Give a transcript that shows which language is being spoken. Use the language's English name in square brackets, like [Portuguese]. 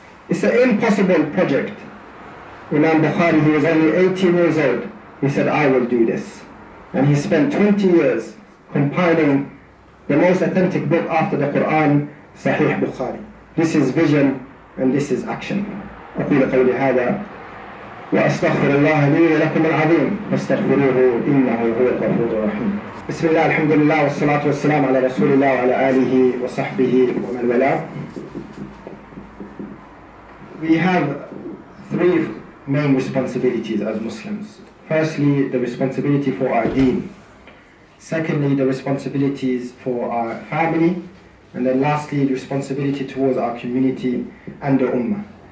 [English] It's an impossible project. Imam Bukhari, he was only 18 years old, he said, I will do this. And he spent 20 years compiling the most authentic book after the Quran, Sahih Bukhari. This is vision and this is action. [Arabic] أقول قولي هذا وأستغفر الله لي ولكم العظيم فاستغفروه إنه هو الغفور الرحيم. بسم الله الحمد لله والصلاة والسلام على رسول الله وعلى آله وصحبه ومن والاه. [English] We have three main responsibilities as Muslims. Firstly, the responsibility for our deen. Secondly, the responsibilities for our family. And then lastly, the responsibility towards our community and the ummah.